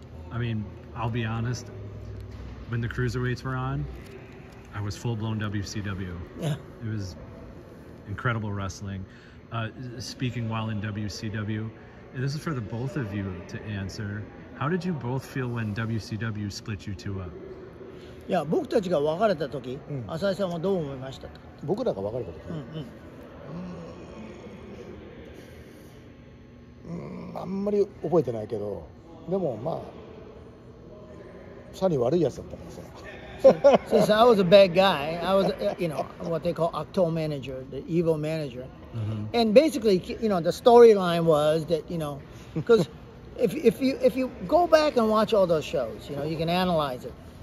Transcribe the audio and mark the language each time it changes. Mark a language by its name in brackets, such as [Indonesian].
[English] I mean, I'll be honest, when the cruiserweights were on, I was full-blown WCW. Yeah. It was incredible wrestling. Speaking while in WCW, and this is for the both of you to answer, how did you both feel when WCW split you two up? [Japanese] いや、僕たちが別れた時、うん、浅井さんはどう思いましたか？僕らが別れた時、うんうん、あんまり覚えてないけど、でもまあ、サニー悪いやつだったからさ。 [English] So, since I was a bad guy, I was, you know, what they call Octo Manager, the evil manager. Mm-hmm. And basically, you know, the storyline was that, you know, because if you go back and watch all those shows, you know, you can analyze it.